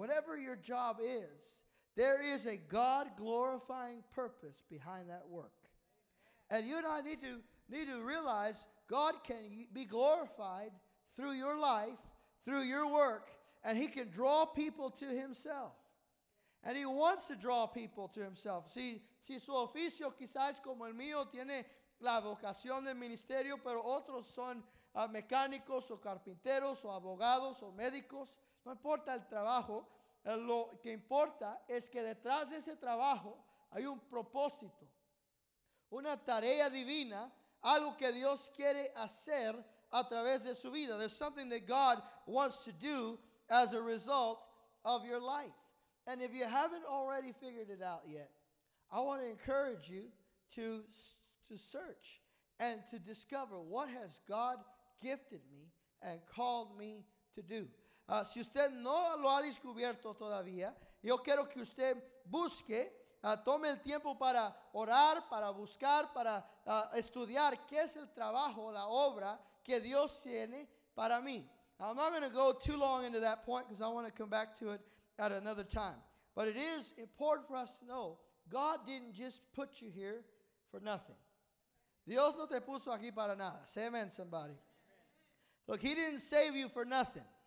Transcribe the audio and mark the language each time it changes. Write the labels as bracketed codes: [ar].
[en] Whatever your job is, there is a God-glorifying purpose behind that work. And you and I need to realize God can be glorified through your life, through your work, and he can draw people to himself. And he wants to draw people to himself. [es] Si su oficio quizás como el mío tiene la vocación del ministerio, pero otros son mecánicos o carpinteros o abogados o médicos, no importa el trabajo. Lo que importa es que detrás de ese trabajo hay un propósito, una tarea divina, algo que Dios quiere hacer a través de su vida. [en] There's something that God wants to do as a result of your life. And if you haven't already figured it out yet, I want to encourage you to search and to discover what has God gifted me and called me to do. [es] Si usted no lo ha descubierto todavía, yo quiero que usted busque, tome el tiempo para orar, para buscar, para estudiar qué es el trabajo, la obra que Dios tiene para mí. [en] Now, I'm not going to go too long into that point because I want to come back to it at another time. But it is important for us to know God didn't just put you here for nothing. [es] Dios no te puso aquí para nada. [en] Say amen, somebody. Look, he didn't save you for nothing.